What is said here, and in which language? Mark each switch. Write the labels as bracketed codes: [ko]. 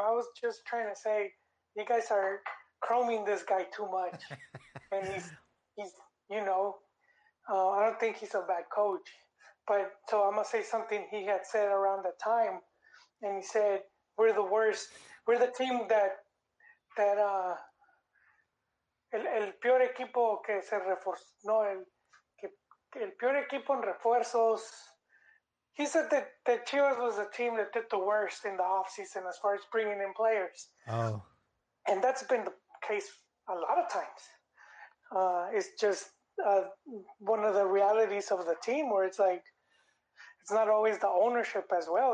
[en] I was just trying to say, you guys are chroming this guy too much. And he's you know, I don't think he's a bad coach. But so I'm going to say something he had said around the time. And he said, we're the worst. We're the team that [es] el peor equipo que se reforzó. No, el peor equipo en refuerzos. [en] He said that Chivas was the team that did the worst in the offseason as far as bringing in players. Oh. And that's been the case a lot of times. It's just one of the realities of the team, where it's like, it's not always the ownership as well.